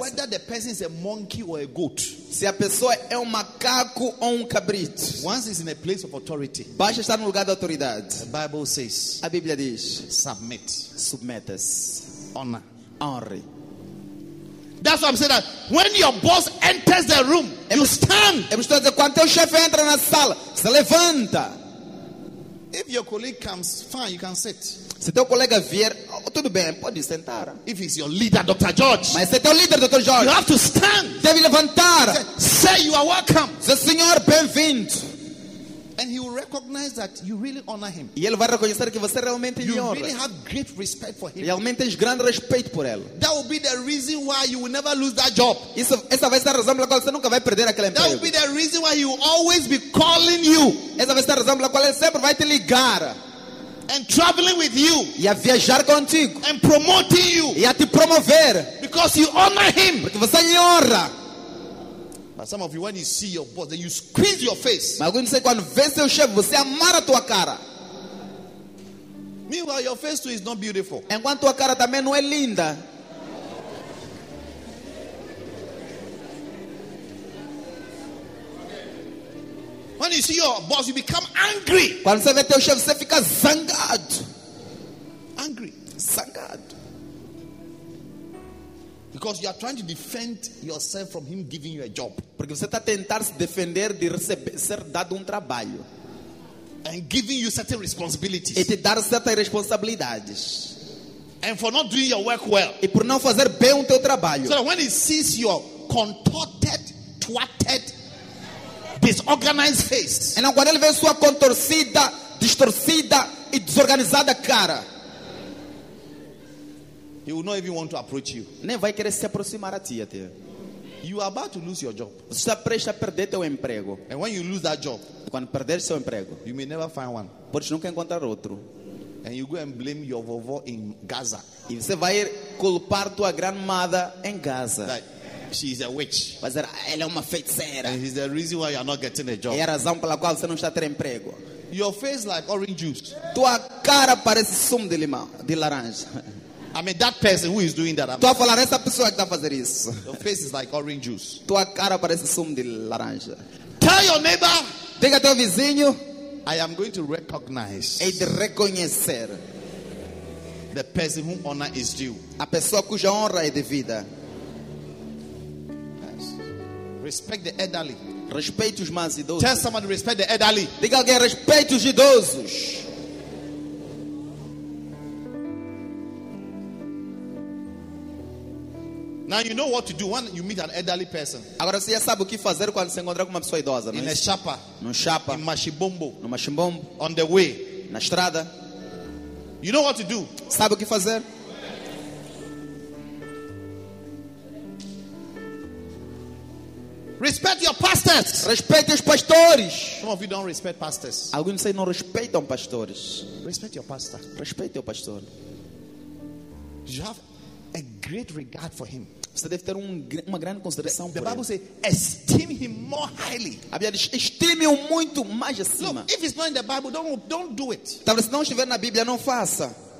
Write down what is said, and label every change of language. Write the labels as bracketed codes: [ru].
[en] Whether the person is a monkey or a goat. [pt] Se a pessoa é um macaco ou um cabrito. [en] Once he's in a place of authority. [pt] Basta estar no lugar da autoridade. [en] The Bible says. [pt] A Bíblia diz. [en] Submit. [pt] Submete-se. [en] Honor. [pt] Honre. [en] That's why I'm saying that when your boss enters the room, you stand. [pt] Eu estou a dizer, quando o chefe entra na sala, se levanta. [en] If your colleague comes, fine, you can sit. [pt] Se teu colega vier, tudo bem, pode sentar. [en] If he's your leader, Dr. George. [pt] Mas se teu líder, Dr. George. [en] You have to stand. [pt] Deve levantar. [en] Say you are welcome. [pt] Se senhor, bem-vindo. [en] And he will recognize that you really honor him. [pt] E ele vai reconhecer que você realmente [en] you [pt] lhe honra. [en] You really have great respect for him. [pt] Realmente tens grande respeito por ele. [en] That will be the reason why you will never lose that job. [pt] Isso, essa vai ser a razão pela qual você nunca vai perder aquele emprego. [en] That will be the reason why he will always be calling you. [pt] Essa vai ser a razão pela qual ele sempre vai te ligar. [en] And traveling with you. [pt] E a viajar contigo. [en] And promoting you. [pt] E a te promover. [en] Because you honor him. [pt] Porque você lhe honra. [en] Some of you, when you see your boss, then you squeeze your face. [pt] Mas quando vê seu chefe, você amarra tua cara. [en] Meanwhile, your face too is not beautiful. [pt] Enquanto tua cara também não é linda. [en] When you see your boss, you become angry. [pt] Quando você vê teu chefe, você fica zangado. [en] Angry. [pt] Zangado. [en] Because you are trying to defend yourself from him giving you a job. [pt] Porque você está tentando se defender de receber, ser dado trabalho. [en] And giving you certain responsibilities. [pt] E te dar certas responsabilidades. [en] And for not doing your work well. [pt] E por não fazer bem o teu trabalho. [en] So when he sees your contorted, twatted, disorganized face. [pt] Então quando ele vê sua contorcida, distorcida e desorganizada cara. [en] He will not even want to approach you. [pt] Nem vai querer se aproximar a ti até. [en] You are about to lose your job. [pt] Você está prestes a perder teu emprego. [en] And when you lose that job, [pt] quando perder seu emprego, [en] you may never find one. [pt] Podes nunca encontrar outro. [en] And you go and blame your vovó in Gaza. [pt] E você vai culpar tua grandmada em Gaza. [en] Like she is a witch. [pt] Mas ela é uma feiticeira. [en] And it's the reason why you are not getting a job. [pt] É a razão pela qual você não está a ter emprego. [en] Your face like orange juice. [pt] Tua cara parece sumo de limão, de laranja. [en] I mean that person who is doing that. [pt] Tu a falar essa pessoa que está fazendo isso. [en] Your face is like orange juice. [pt] Tua cara parece sumo de laranja. [en] Tell your neighbor. [pt] Diga teu vizinho. [en] I am going to recognize. [pt] É de reconhecer. [en] The person whom honor is due. [pt] A pessoa cuja honra é devida. [en] Yes. Respect the elderly. [pt] Respeite os mais idosos. [en] Tell someone to respect the elderly. [pt] Diga alguém respeite os idosos. [en] Now you know what to do when you meet an elderly person. [pt] Agora você já sabe o que fazer quando se encontrar com uma pessoa idosa, não é? [en] In a chapa. [pt] No chapa. [en] In machibombo. [pt] No machibombo. [en] On the way. [pt] Na estrada. [en] You know what to do. [pt] Sabe o que fazer? [en] Respect your pastors. [pt] Respeite os pastores. [en] Some of you don't respect pastors. [pt] Alguns dizem não respeitam pastores. [en] Respect your pastor. [pt] Respeite o pastor. [en] You have a great regard for him. [pt] Você deve ter uma grande consideração [en] the [pt] por [en] Bible [pt] ele. [en] Says, esteem him more highly. [pt] A Bíblia diz, estime-o muito mais acima. [en] Look, if it's not in the Bible, don't do it. [pt] Talvez se não estiver na Bíblia, não faça.